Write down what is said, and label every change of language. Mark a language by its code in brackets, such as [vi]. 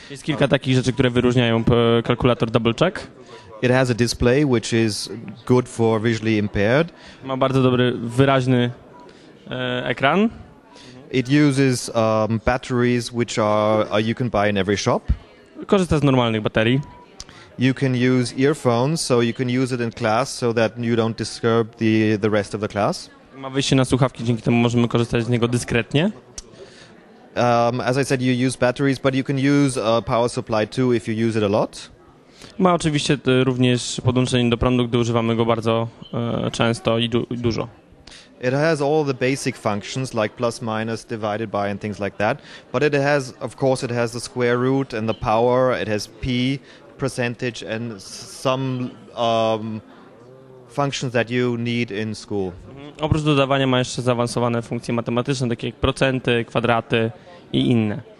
[pl] Jest kilka takich rzeczy, które wyróżniają kalkulator Double Check. [en] It has a display which is good for visually impaired. [pl] Ma bardzo dobry wyraźny ekran. [en] It uses batteries which are you can buy in every shop. [pl] Korzysta z normalnych baterii. [en] You can use earphones, so you can use it in class, so that you don't disturb the rest of the class. [pl] Ma wyjście na słuchawki, dzięki temu możemy korzystać z niego dyskretnie. [en] As I said, you use batteries, but you can use a power supply too if you use it a lot. [pl] Ma oczywiście również podłączenie do prądu, gdy używamy go bardzo często i dużo. [en] It has all the basic functions like plus, minus, divided by and things like that. But it has, of course, it has the square root and the power. It has P percentage and some functions that you need in school. [pl] Oprócz dodawania ma jeszcze zaawansowane funkcje matematyczne, takie jak procenty, kwadraty i inne.